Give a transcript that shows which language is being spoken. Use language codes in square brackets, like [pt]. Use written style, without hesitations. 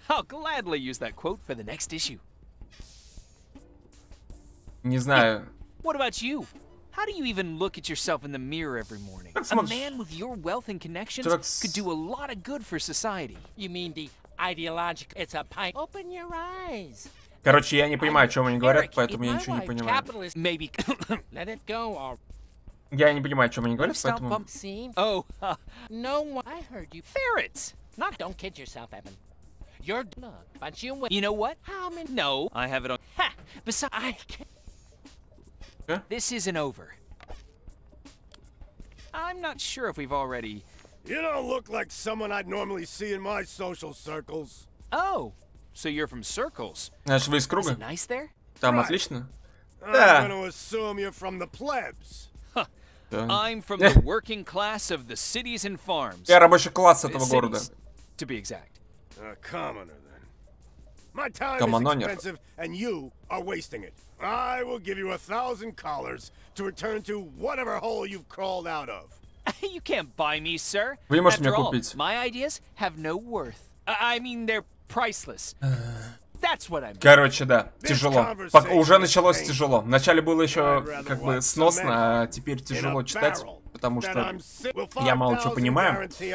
[en] I'll gladly use that quote for the next issue. [ru] Не знаю. [en] What about you? How do you even look at yourself in the mirror every morning? [ru] Так смотришь. [en] A man with your wealth and connections could do a lot of good for society. You mean the ideological... It's a pint. Open your eyes! [ru] Короче, я не понимаю, о чем они говорят, поэтому я ничего не понимаю. [en] Let it go, or... [ru] Я не понимаю, о чем они говорят, поэтому... [en] Oh, no one... I heard you... Ferrets! Not... Don't kid yourself, Evan. You're... Look, but you... You know what? How many... No, I have it on... Ha! Besides... I... This isn't over. I'm not sure if we've already... You don't look like someone I'd normally see in my social circles. Oh! So you're from circles. [ru] Значит, вы из круга? [en] Is it nice there? [ru] Там [en] right. [ru] Отлично. Да. [en] I'm gonna assume you're from the plebs. I'm from the working class of the cities and farms. [ru] Я рабочий класс этого города. [en] To be exact. A commoner, then. My time is expensive, and you are wasting it. I will give you 1,000 collars to return to whatever hole you've crawled out of. You can't buy me, sir. [ru] Вы не можете меня купить. [en] My ideas have no worth. I mean, they're... Priceless. That's what I mean. [ru] Короче, да, тяжело. Уже началось тяжело. Вначале было еще как бы сносно, а теперь тяжело читать, потому что я мало чего понимаю.